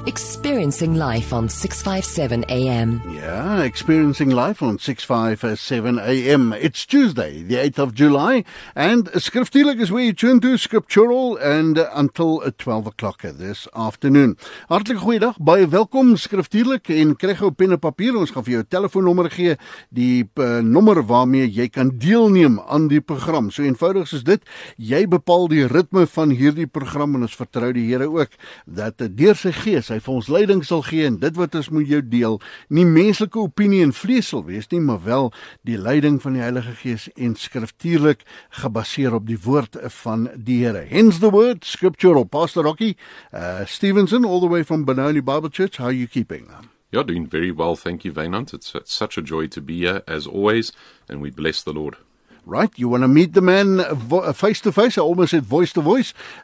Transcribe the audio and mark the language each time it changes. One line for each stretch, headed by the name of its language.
English: Experiencing Life on 657 AM. Yeah, Experiencing Life on 657 AM. It's Tuesday, the 8th of July, and skriftuurlik is where you tune to scriptural and until 12 o'clock this afternoon.
Afrikaans: Hartlike goeiedag, baie welkom skriftuurlik en kry gou pen en papier. Ons gaan vir jou telefoonnommer gee, die nommer waarmee jy kan deelneem aan die program. So eenvoudig soos dit, jy bepaal die ritme van hierdie program en ons vertrou die Here ook, dat deur sy gees, hy vir ons leiding sal gee en dit wat ons moet jou deel, nie menslike opinie en vlees sal wees nie, maar wel die leiding van die Heilige Gees en skriftuurlik gebaseer op die woord van die Here.
English: Hence the word, scriptural. Pastor Rocky Stevenson, all the way from Benoni Bible Church, how are you keeping? You're doing very well, thank you, Wynand. It's such a joy to be here, as always, and we bless the Lord. Right, you want to meet the man face-to-face, I almost said voice-to-voice.